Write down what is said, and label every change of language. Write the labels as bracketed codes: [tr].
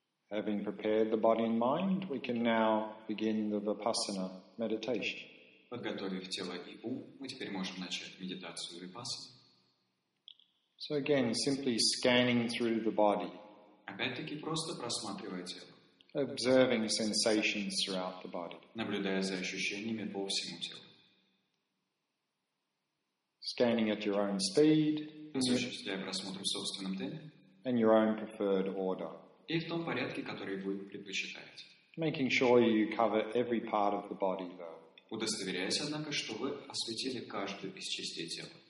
[en] Having prepared the body and mind, we can now begin the Vipassana meditation. [ru] Подготовив тело и ум, мы теперь можем начать медитацию Vipassana. [en] So again, simply scanning through the body. [ru] Опять-таки просто просматривая тело. [en] Observing sensations throughout the body. [ru] Наблюдая за ощущениями по всему телу. [en] Scanning at your own speed. [ru] Осуществляя просмотр в собственном теле. [en] And your own preferred order. [ru] И в том порядке, который вы предпочитаете. [en] Making sure you cover every part of the body, though. [ru] Удостоверяясь, однако, что вы осветили каждую из частей тела.